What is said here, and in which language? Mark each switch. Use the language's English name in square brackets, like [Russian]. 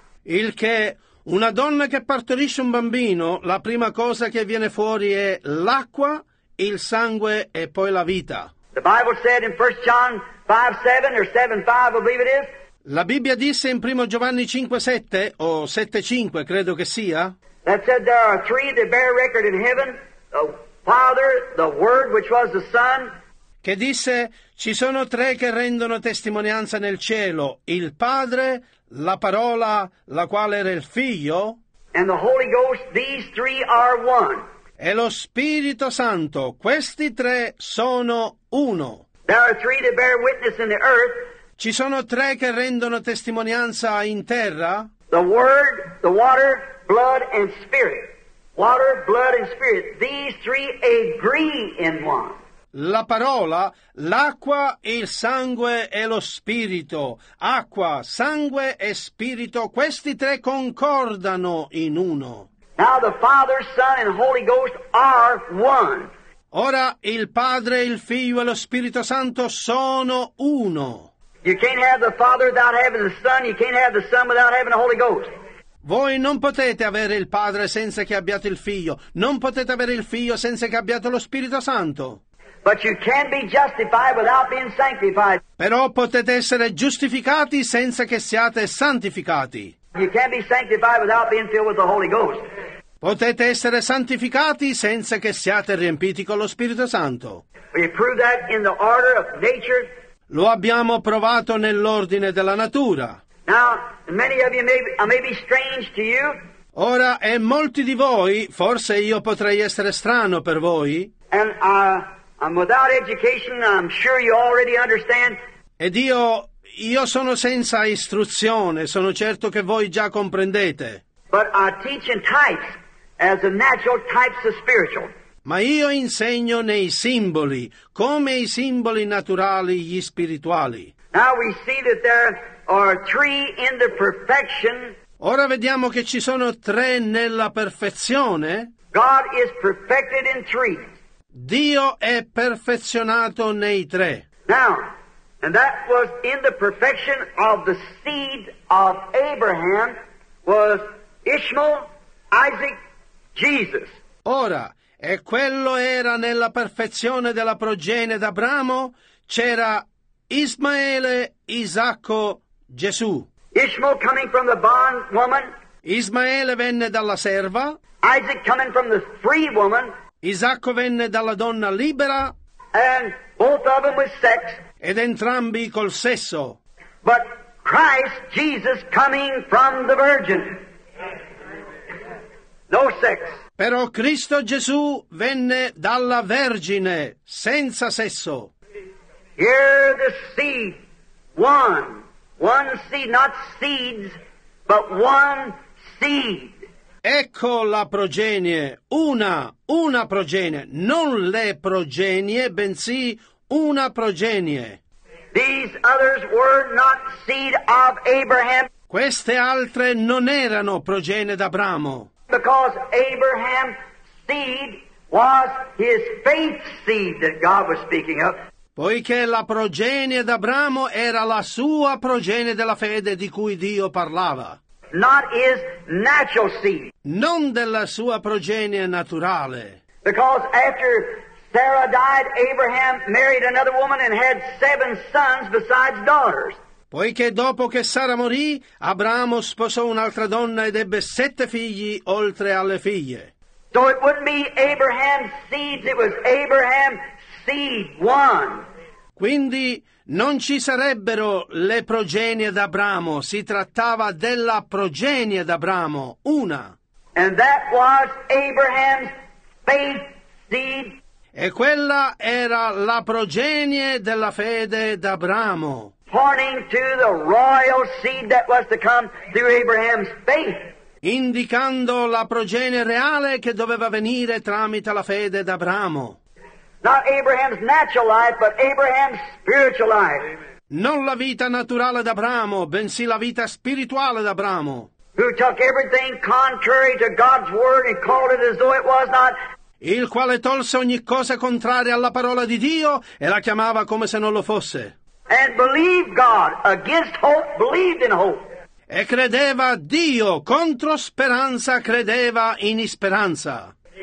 [Italian] Il che una donna che partorisce un bambino, la prima cosa che viene fuori è l'acqua, il sangue e poi la vita. [English] The Bible said in 1 John 5:7 or 7:5, I believe it is. [Italian] La Bibbia disse in 1 Giovanni 5:7 o 7:5, credo che sia. [English] That said there are three that bear record in heaven, the Father, the Word which was the Son. [Italian] Che disse ci sono tre che rendono testimonianza nel cielo, il Padre, la parola la quale era il Figlio, [English] and the Holy Ghost, these three are one. [Italian] E lo Spirito Santo, questi tre sono uno. [English] There are three that bear witness in the earth. [Italian] Ci sono tre che rendono testimonianza in terra. [English] The Word, the water, blood and spirit. Water, blood and spirit. These three agree in one. [Italian] La parola, l'acqua, il sangue e lo spirito. Acqua, sangue e spirito, questi tre concordano in uno. [English] Now the Father, Son and Holy Ghost are one. [Italian] Ora il Padre, il Figlio e lo Spirito Santo sono uno. [English] You can't have the Father without having the Son, you can't have the Son without having the Holy Ghost. [Italian] Voi non potete avere il Padre senza che abbiate il Figlio, non potete avere il Figlio senza che abbiate lo Spirito Santo. [English] But you can't be justified without being sanctified. [Italian] Però potete essere giustificati senza che siate santificati. [English] You can't be sanctified without being filled with the Holy Ghost. [Italian] Potete essere santificati senza che siate riempiti con lo Spirito Santo. [English] We prove that in the order of nature. [Italian] Lo abbiamo provato nell'ordine della natura. [English] Now, many of you may be strange to you. [Italian] Ora, e molti di voi, forse io potrei essere strano per voi. [English] And I'm without education, I'm sure you already understand. [Italian] Ed io sono senza istruzione, sono certo che voi già comprendete. [English] But I teach in types, as the natural types of spiritual. [Italian] Ma io insegno nei simboli, come i simboli naturali, gli spirituali. [English] Now we see that there are three in the perfection. [Italian] Ora vediamo che ci sono tre nella perfezione. [English] God is perfected in three. [Italian] Dio è perfezionato nei tre. [English] Now, and that was in the perfection of the seed of Abraham, was Ishmael, Isaac, Jesus. [Italian] Ora, e quello era nella perfezione della progenie d'Abramo, c'era Ismaele, Isacco, Gesù. [English] Ishmael coming from the bond woman. [Italian] Ismaele venne dalla serva. [English] Isaac coming from the free woman. [Italian] Isacco venne dalla donna libera. [English] And both of them with sex. [Italian] Ed entrambi col sesso. [English] But Christ Jesus coming from the virgin. No sex. [Italian] Però Cristo Gesù venne dalla vergine, senza sesso. [English] Here the seed, one. One seed, not seeds, but one seed. [Italian] Ecco la progenie, una progenie, non le progenie, bensì una progenie. [English] These others were not seed of Abraham. [Italian] Queste altre non erano progenie d'Abramo. [English] Because Abraham's seed was his faith seed that God was speaking of. [Italian] Poiché la progenie d'Abramo era la sua progenie della fede di cui Dio parlava. [English] Not his natural seed. [Italian] Non della sua progenie naturale. [English] Because after Sarah died, Abraham married another woman and had seven sons besides daughters. [Italian] Poiché dopo che Sara morì, Abramo sposò un'altra donna ed ebbe sette figli oltre alle figlie. [English] So it wouldn't be Abraham's seed, it was Abraham's seed, one. [Italian] Quindi non ci sarebbero le progenie d'Abramo, si trattava della progenie d'Abramo, una. [English] And that was Abraham's faith seed. [Italian] E quella era la progenie della fede d'Abramo. [English] Pointing to the royal seed that was to come through Abraham's faith. [Italian] Indicando la progenie reale che doveva venire tramite la fede d'Abramo. [English] Not Abraham's natural life, but Abraham's spiritual life. [Italian] non la vita naturale d'Abramo, bensì la vita spirituale d'Abramo. [English] Who took everything contrary to God's word and called it as though it was not. [Italian] Il quale tolse ogni cosa contraria alla parola di Dio e la chiamava come se non lo fosse. [English] And believed God against hope, believed in hope. [Italian] E credeva Dio contro speranza, credeva in speranza.